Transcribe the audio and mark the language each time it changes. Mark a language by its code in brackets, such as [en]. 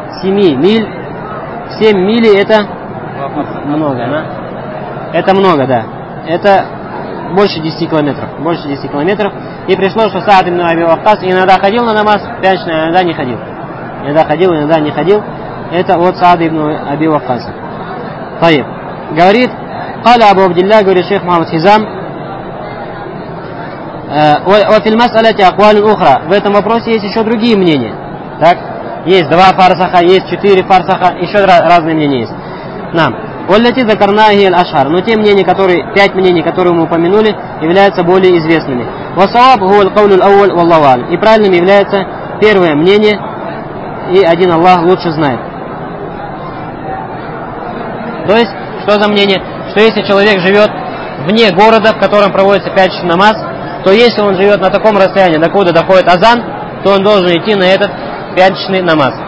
[ru] 7 миль. 7 мили это много, да? Это много, да. Это больше 10 километров. Больше 10 километров. И пришло, что Саад ибн Аби Ваккас иногда ходил на намаз, пятничный, иногда не ходил. Иногда ходил, иногда не ходил. Это от Саада ибн Аби Ваккаса. Таиб. Говорит, [ar] قال أبو عبد الله قال الشيخ محمد حزام وفي المسألة أقوال أخرى في هذا [ru] вопрос есть еще другие мнения. Так? Есть два фарсаха, есть четыре фарсаха, еще разные мнения есть. Нам. [ar] والتي ذكرناها هي الأشهر. [ru] Но те мнения, которые пять мнений, которые мы упомянули, являются более известными. [ar] والصواب هو القول الأول والله أعلم. [ru] И правильным является первое мнение, и один Аллах лучше знает. То есть, что за мнение? Что если человек живет вне города, в котором проводится пятничный намаз, то если он живет на таком расстоянии, докуда доходит азан, то он должен идти на этот пятничный намаз.